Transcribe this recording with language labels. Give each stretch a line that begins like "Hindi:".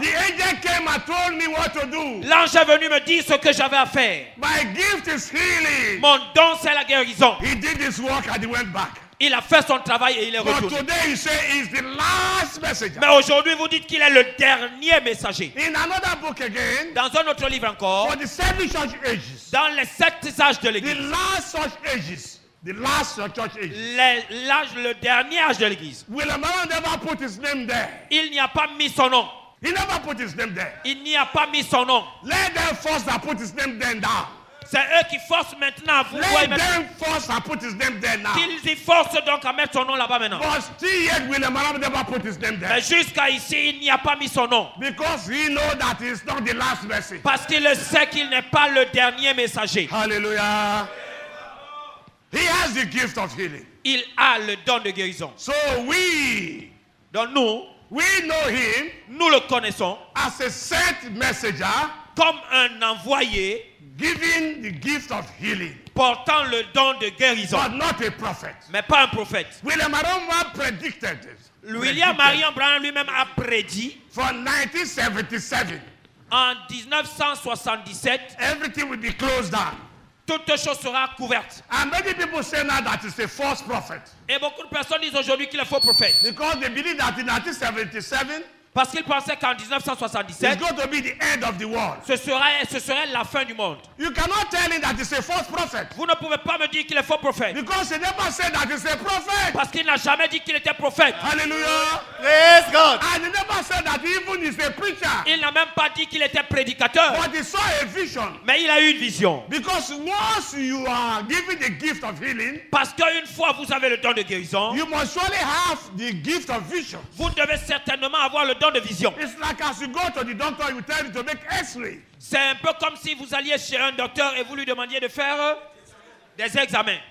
English: The angel came and told me what to do.
French: L'ange est venu me dit ce que j'avais à faire.
English: My gift is healing.
French: Mon don c'est la guérison.
English: He did his work and he went back.
French: Il a fait son travail et il est
English: But
French: retourné.
English: Today he say he's the last messenger.
French: Mais aujourd'hui vous dites qu'il est le dernier messager.
English: In another book again,
French: dans un autre livre encore.
English: For the seven church ages,
French: dans les sept âges de l'Église.
English: The last church ages, the last church age.
French: L'âge, le dernier âge de l'Église.
English: Will a man never put his name there?
French: Il n'y a pas mis son nom.
English: He never put his name there.
French: Il n'y a pas mis son nom.
English: Let them force to put his name there now.
French: C'est eux qui forcent maintenant à vous.
English: Let them force to put his name there now.
French: Qu'ils y forcent donc à mettre son nom là-bas maintenant.
English: But still yet William Marion never put his name there.
French: Mais jusqu'à ici, il n'y a pas mis son nom.
English: Because he know that he's not the last message.
French: Parce qu'il sait qu'il n'est pas le dernier messager.
English: Hallelujah. He has the gift of healing.
French: Il a le don de guérison.
English: So we.
French: Donc nous.
English: We know him.
French: Nous le connaissons.
English: As a sent messenger.
French: Comme un envoyé.
English: Giving the gift of healing.
French: Portant le don de guérison.
English: But not a prophet.
French: Mais pas un prophète.
English: William Marion Branham predicted this.
French: William Marion Branham lui-même a prédit.
English: For 1977.
French: En 1977.
English: Everything will be closed down.
French: Toute chose sera couverte.
English: And many people say now that it's a false prophet.
French: Et beaucoup de personnes disent aujourd'hui qu'il est faux prophète.
English: Because they believe that in 1977,
French: parce qu'ils pensaient qu'en 1977,
English: it's going to be the end of the world.
French: Ce serait la fin du monde.
English: You cannot tell him that it's a false prophet.
French: Vous ne pouvez pas me dire qu'il est faux prophète.
English: Because he never said that it's a prophet.
French: Parce qu'il n'a jamais dit qu'il était prophète.
English: Hallelujah. Praise God. And he never said that even he's a preacher.
French: Il n'a même pas dit qu'il était prédicateur.
English: But he saw a vision.
French: Mais il a eu une vision.
English: Because once you are given the gift of healing,
French: parce qu'une fois vous avez le don de guérison,
English: you must surely have the gift of vision.
French: Vous devez certainement avoir le don de vision.
English: It's like as you go to the doctor, you tell him to make X-ray.
French: C'est un peu comme si vous alliez chez un docteur et vous lui demandiez de faire des examens.